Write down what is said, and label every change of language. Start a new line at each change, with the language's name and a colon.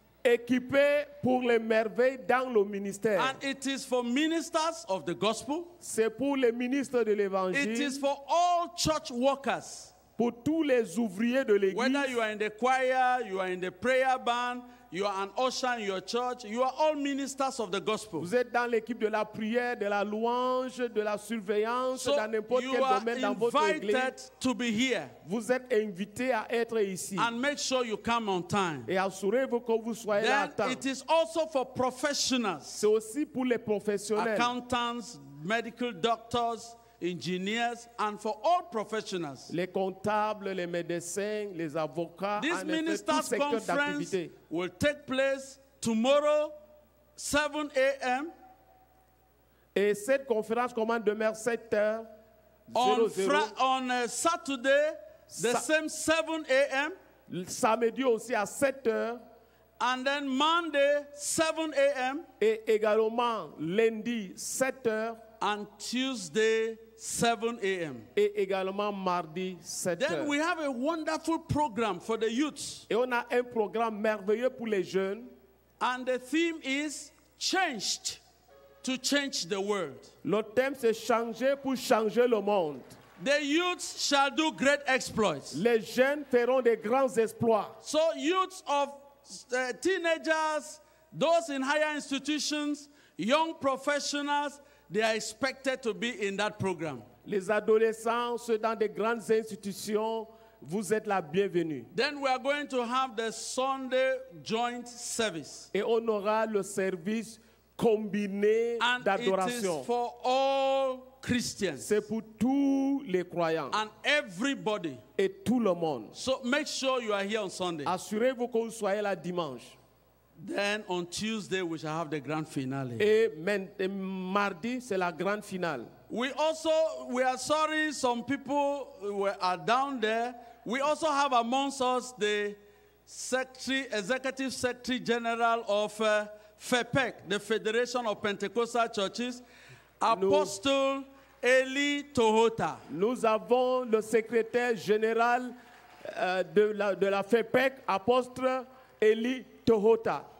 French: Équipé pour les merveilles dans le ministère.
English: And it is for ministers of the gospel.
French: C'est pour les ministres de l'évangile.
English: It is for all church workers.
French: Pour tous les ouvriers de l'église.
English: Whether you are in the choir, you are in the prayer band, You are an usher in your church. You are all ministers of the gospel.
French: Vous êtes dans l'équipe de la prière, de la louange, de la surveillance, dans n'importe quel domaine dans votre église.
English: You are invited to be here.
French: Vous êtes invité à être ici.
English: And make sure you come on time.
French: Et assurez-vous que vous soyez
English: then
French: là à temps.
English: It is also for professionals.
French: C'est aussi pour les professionnels.
English: Accountants, medical doctors, engineers, and for all professionals.
French: Les comptables, les médecins, les avocats.
English: This ministers' conference will take place tomorrow, 7 a.m.
French: Et cette conférence commence demain 7 heures.
English: On Saturday, the same 7 a.m.
French: Samedi aussi à 7 heures.
English: And then Monday, 7 a.m.
French: Et également lundi 7 heures.
English: And Tuesday, 7 a.m.
French: Et également mardi 7 heures.
English: Then we have a wonderful program for the youth.
French: Et on a un programme merveilleux pour les jeunes.
English: And the theme is changed to change the world.
French: Le thème c'est changer pour changer le monde.
English: The youths shall do great exploits.
French: Les jeunes feront des grands exploits.
English: So youths of teenagers, those in higher institutions, young professionals, they are expected to be in that program.
French: Les adolescents, ceux dans des grandes institutions, vous êtes la bienvenue.
English: Then we are going to have the Sunday joint service.
French: Et on aura le service combiné
English: and
French: d'adoration.
English: It is for all Christians.
French: C'est pour tous les croyants.
English: And everybody.
French: Et tout le monde.
English: So make sure you are here on Sunday.
French: Assurez-vous que vous soyez là dimanche.
English: Then on Tuesday we shall have the grand finale.
French: Amen. Mardi c'est la grand finale.
English: We are sorry some people are down there. We also have amongst us the executive secretary general of FEPEC, the Federation of Pentecostal Churches, Apostle Eli Tohota.
French: Nous avons le secrétaire général de la FEPEC, Apostle Eli Tohota.